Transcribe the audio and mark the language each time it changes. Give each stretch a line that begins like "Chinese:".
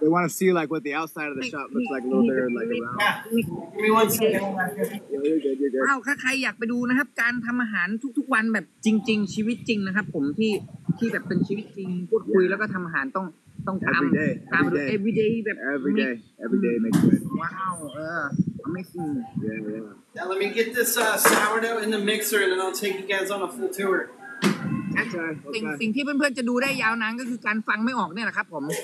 English: They want to see like what the outside of the shop looks like a little bit, like around. Give me one second.
Thai: Wow, ถ้าใครอยากไปดูนะครับการทำอาหารทุกวันแบบจริงๆชีวิตจริงนะครับผมที่แบบเป็นชีวิตจริงพูดคุยแล้วก็ทำอาหารต้องทำทำ
English: everyday
Thai: แบบ
English: everyday make it. Wow, amazing. Yeah. Now let me get this sourdough in the mixer and then I'll take you guys on a full tour.
Thai: สิ่งที่เพื่อนๆจะดูได้ยาวนานก็คือการฟังไม่ออกเนี่ยแหละครับผม